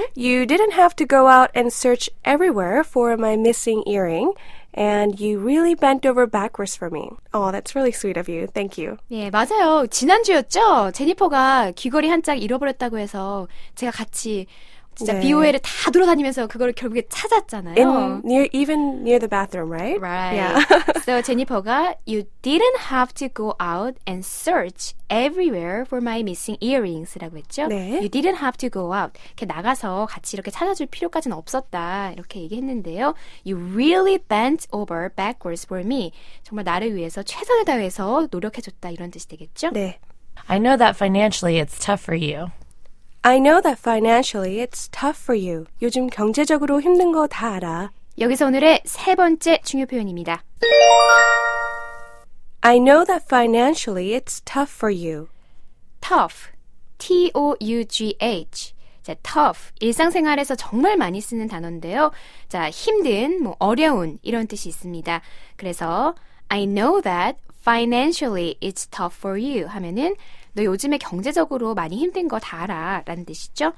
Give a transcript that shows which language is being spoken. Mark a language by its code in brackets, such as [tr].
[en] You didn't have to go out and search everywhere for my missing earring. And you really bent over backwards for me. Oh, that's really sweet of you. Thank you. [ko] 네, 맞아요. 지난주였죠? 제니퍼가 귀걸이 한 짝 잃어버렸다고 해서 제가 같이 진짜 네. 비오웨이를 다 돌아다니면서 그걸 결국에 찾았잖아요. [en] Even near the bathroom, right? Right. Yeah. So Jennifer가 you didn't have to go out and search everywhere for my missing earrings라고 [ko] 했죠. 네. [en] You didn't have to go out. [ko] 이렇게 나가서 같이 이렇게 찾아줄 필요까지는 없었다. 이렇게 얘기했는데요. [en] You really bent over backwards for me. [ko] 정말 나를 위해서 최선을 다해서 노력해줬다. 이런 뜻이 되겠죠? 네. [en] I know that financially it's tough for you. I know that financially it's tough for you. [ko] 요즘 경제적으로 힘든 거 다 알아. 여기서 오늘의 세 번째 중요 표현입니다. [en] I know that financially it's tough for you. Tough. T-O-U-G-H. 자, tough. [ko] 일상생활에서 정말 많이 쓰는 단어인데요. 자, 힘든, 뭐 어려운 이런 뜻이 있습니다. 그래서 [en] I know that financially it's tough for you [ko] 하면은 너 요즘에 경제적으로 많이 힘든 거 다 알아 라는 뜻이죠?